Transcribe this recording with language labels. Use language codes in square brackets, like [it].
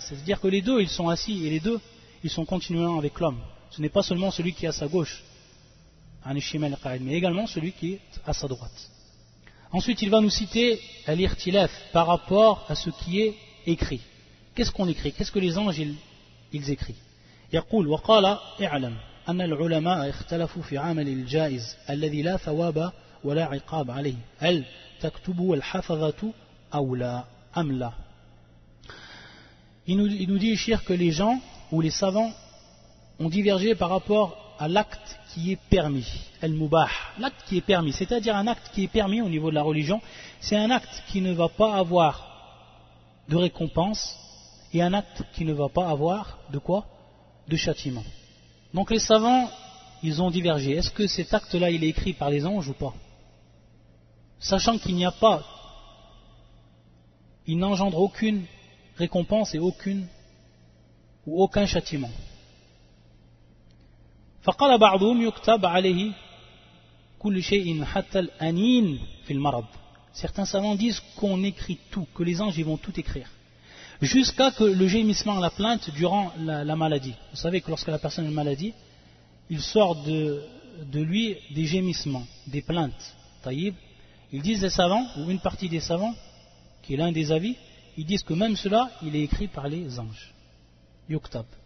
[fr] C'est-à-dire que les deux, ils sont assis et les deux, ils sont continuellement avec l'homme. Ce n'est pas seulement celui qui est à sa gauche, [ar] anil shimali qa'id, [fr] mais également celui qui est à sa droite. Ensuite, il va nous citer al-irtilaf par rapport à ce qui est écrit. Qu'est-ce qu'on écrit? Qu'est-ce que les anges ils écrivent? [ar] يقول وقال اعلم ان العلماء اختلفوا في عمل الجائز الذي لا ثواب ولا عقاب عليه هل تكتب الحفظة او لا ام لا. [fr] Il nous dit cher que les gens ou les savants ont divergé par rapport à l'acte qui est permis, al mubah, l'acte qui est permis, c'est-à-dire un acte qui est permis au niveau de la religion, c'est un acte qui ne va pas avoir de récompense et un acte qui ne va pas avoir de quoi? De châtiment. Donc les savants, ils ont divergé. Est-ce que cet acte-là, il est écrit par les anges ou pas? Sachant qu'il n'y a pas, il n'engendre aucune récompense et aucune ou aucun châtiment. [ar] فقال بعضهم يكتب عليه كل شيء حتى الأنين في المرض. [fr] Certains savants disent qu'on écrit tout, que les anges ils vont tout écrire. Jusqu'à que le gémissement, la plainte durant la maladie. Vous savez que lorsque la personne a une maladie, il sort de lui des gémissements, des plaintes. Taïb, ils disent les savants, ou une partie des savants, qui est l'un des avis, ils disent que même cela, il est écrit par les anges. Yuktab.